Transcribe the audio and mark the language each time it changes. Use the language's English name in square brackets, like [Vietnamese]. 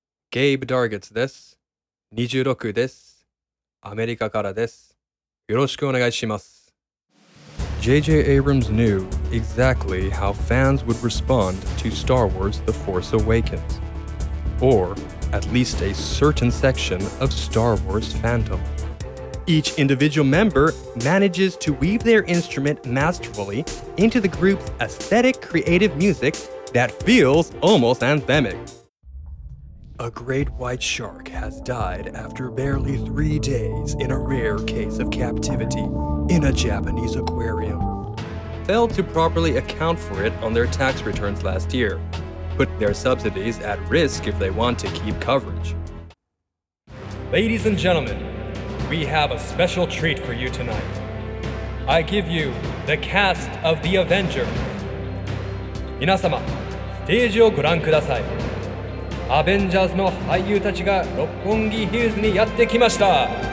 [Japanese] ゲイブ・ダーゲッツです。26です。アメリカからです。よろしくお願いします。 [English] J.J. Abrams knew exactly how fans would respond to Star Wars The Force Awakens, or at least a certain section of Star Wars fandom. Each individual member manages to weave their instrument masterfully into the group's aesthetic creative music that feels almost anthemic. A great white shark has died after barely 3 days in a rare case of captivity in a Japanese aquarium. Failed to properly account for it on their tax returns last year, put their subsidies at risk if they want to keep coverage. Ladies and gentlemen, we have a special treat for you tonight. I give you the cast of the Avenger. [Japanese] 皆様、ステージをご覧ください。アベンジャーズの俳優たちが六本木ヒルズにやってきました。